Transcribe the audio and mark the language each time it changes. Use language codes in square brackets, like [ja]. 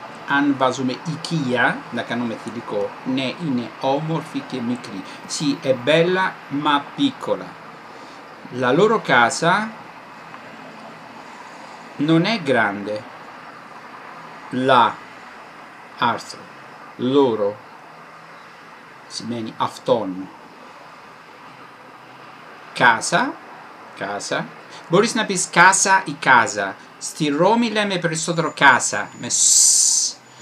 [el] Αν βάζουμε οικία, να κάνουμε θηλυκό, ναι, είναι όμορφη και μικρή. [it] Sì, è bella ma piccola. La loro casa non è grande. [el] La, άρθρο, loro, σημαίνει αυτόν. Casa, casa. Μπορείς να πεις casa ή casa. Στη Ρώμη λέμε περισσότερο casa, με σσσ.